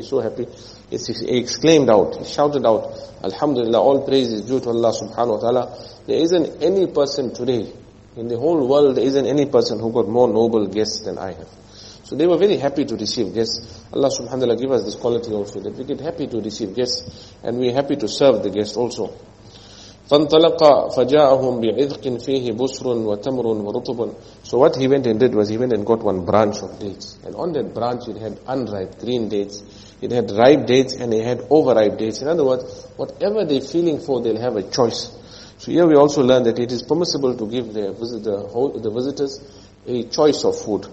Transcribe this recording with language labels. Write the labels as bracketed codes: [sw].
[en] He exclaimed out, he shouted out, "Alhamdulillah, all praise is due to Allah subhanahu wa ta'ala. There isn't any person today, in the whole world, there isn't any person who got more noble guests than I have." So they were very happy to receive guests. Allah subhanahu wa ta'ala give us this quality also, that we get happy to receive guests, and we're happy to serve the guests also. [ar] فانطلق فجاءهم بعذق فيه بسر وتمر ورطب. [en] So what he went and did was he went and got one branch of dates. And on that branch it had unripe green dates. It had ripe dates and it had overripe dates. In other words, whatever they're feeling for, they'll have a choice. So here we also learn that it is permissible to give the visitors a choice of food.